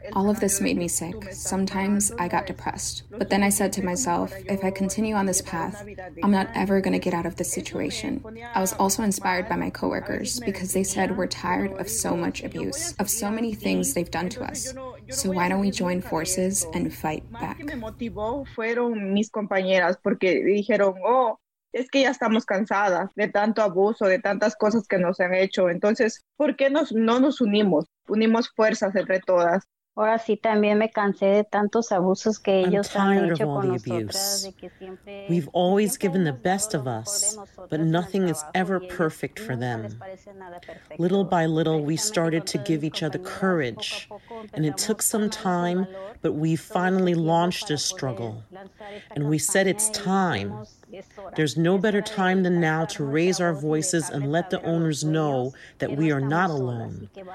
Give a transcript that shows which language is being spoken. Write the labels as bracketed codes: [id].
[en] All of this made me sick. Sometimes I got depressed. But then I said to myself, if I continue on this path, I'm not ever going to get out of this situation. I was also inspired by my coworkers because they said we're tired of so much abuse, of so many things they've done to us. So why don't we join forces and fight back? [es] Que me motivó fueron mis compañeras porque dijeron, oh, es que ya estamos cansadas de tanto abuso, de tantas cosas que nos han hecho. Entonces, ¿por qué no nos unimos? Unimos fuerzas entre todas. Ahora sí, también me cansé de tantos abusos que ellos han hecho con nosotras. [en] I'm tired of all the abuse. We've always given the best of us, but nothing is ever perfect for them. Little by little, we started to give each other courage, and it took some time, but we finally launched this struggle. And we said it's time. There's no better time than now to raise our voices and let the owners know that we are not alone.